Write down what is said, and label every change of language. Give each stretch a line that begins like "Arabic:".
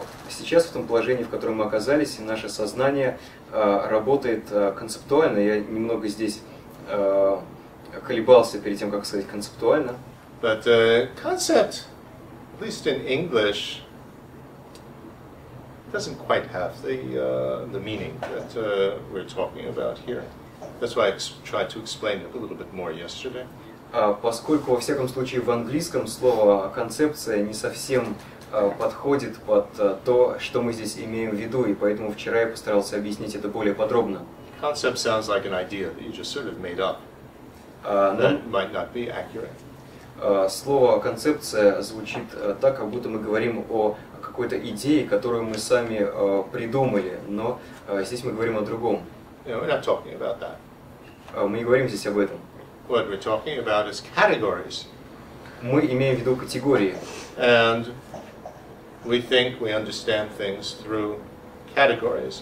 Russian: Сейчас в том положении, в котором мы оказались, наше сознание работает концептуально. Я немного здесь колебался перед тем, как сказать концептуально.
English: But concept, at least in English, doesn't quite have the meaning that we're talking about here. That's why I tried to explain it a little bit more yesterday.
Russian: Поскольку во всяком случае в английском слово концепция не совсем подходит под то, что мы здесь имеем в виду, и поэтому вчера я постарался объяснить это более подробно.
English: Concept sounds like an idea that you just sort of made up. That might not be accurate.
Russian: Слово концепция звучит так, как будто мы говорим о какой-то идее, которую мы сами придумали, но здесь мы говорим о другом.
English: Yeah, we're not talking about that.
Russian: Мы не говорим здесь об этом.
English: What we're talking about is categories.
Russian: Мы имеем в виду категории.
English: And we think we understand things through categories.